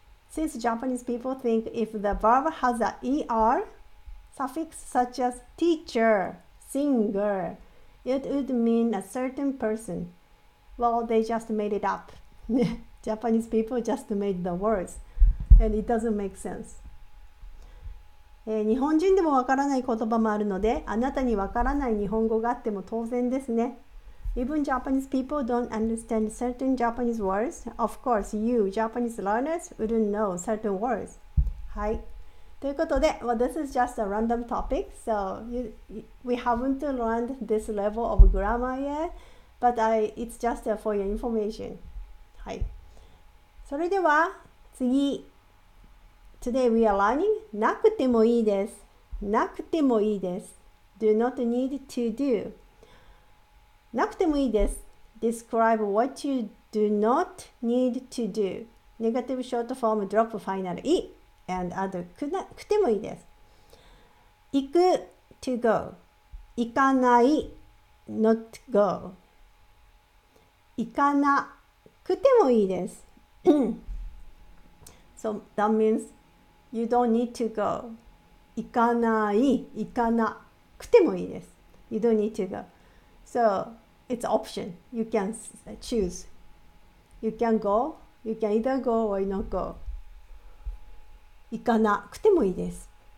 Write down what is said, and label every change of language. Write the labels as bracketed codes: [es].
[en] Since Japanese people think if the verb has a ER suffix such as teacher, singer, it would mean a certain person. Well, they just made it up. Japanese people just made the words, and it doesn't make sense. [ja] 日本人でもわからない言葉もあるので、あなたにわからない日本語があっても当然ですね。 [en] Even Japanese people don't understand certain Japanese words. Of course, you, Japanese learners, wouldn't know certain words. [ja] はい。 [en] ということで、 well, this is just a random topic, so we haven't learned this level of grammar yet, but it's just for your information. はい。それでは次、 Today we are learning なくてもいいです。なくてもいいです。 Do not need to do. [ja] なくてもいいです。 [en] Describe what you do not need to do. Negative short form drop final E and add くてもいいです。行く to go. 行かない not go. [ja] 行かなくてもいいです。 [en] So that means you don't need to go. [ja] 行かない行かなくてもいいです。 [en] You don't need to go. So it's an option. You can choose. You can go. You can either go or not go. [ja] 行かなくてもいいです。